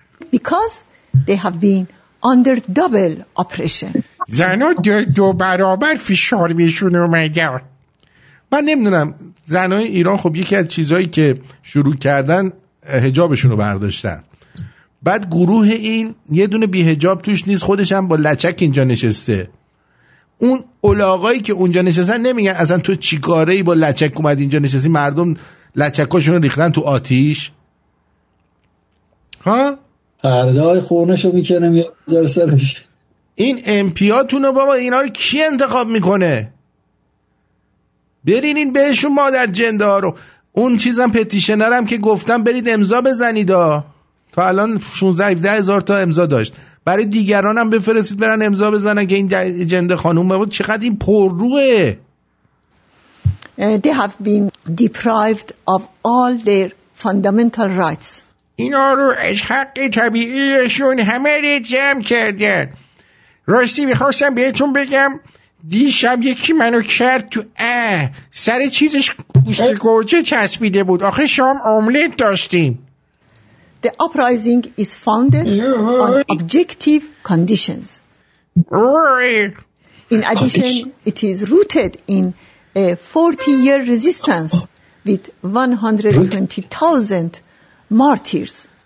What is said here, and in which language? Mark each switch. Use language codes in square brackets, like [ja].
[en] because they have been under double oppression. [fa] زنها دو برابر فشار بهشون اومده. من نمیدونم زنهای ایران خب یکی از چیزهایی که شروع کردن حجابشون رو برداشتن، بعد گروه این یه دونه بی حجاب توش نیست، خودش هم با لچک اینجا نشسته، اون الاغایی که اونجا نشستن نمیگن اصلا تو چیکاره ای با لچک اومد اینجا نشستی، مردم لچکاشون رو ریختن تو آتیش. ها؟ هردهای خونش رو میکنم یا بذار سرش. این امپیاتون رو بابا اینا رو کی انتخاب میکنه؟ برین این بهشون مادر جنده ها رو. اون چیزم پتیشنرم که گفتم برید امضا بزنید ها، تا الان 16-17 هزار تا امضا داشت، برای دیگرانم بفرستید برن امضا بزنن که این جنده خانوم بابا چقدر این پرروه. [en] They have been deprived of all their fundamental rights. [fa] اینا رو از حق طبیعیشون همه رو جمع کردن. راستی میخواستم بهتون بگم دیشب یکی منو کرد تو سر چیزش گوشت گوجه چسبیده بود، آخه شام املت داشتیم. [en] The uprising is founded on objective conditions. In addition, it is rooted in a 40-year resistance with 120,000 martyrs.